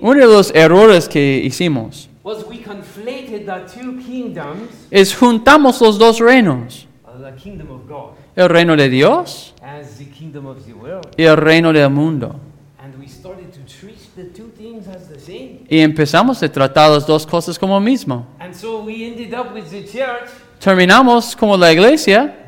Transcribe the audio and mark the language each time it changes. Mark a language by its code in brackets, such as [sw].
[es] Uno de los errores que hicimos. [en] Was we conflated the two kingdoms. [es] Es juntamos los dos reinos. [en] The kingdom of God. [es] El reino de Dios. [en] As the kingdom of the world. [es] Y el reino del mundo. [en] And we started to treat the two things as the same. [es] Y empezamos a tratar las dos cosas como mismo. [en] And so we ended up with the church. [es] Terminamos como la iglesia.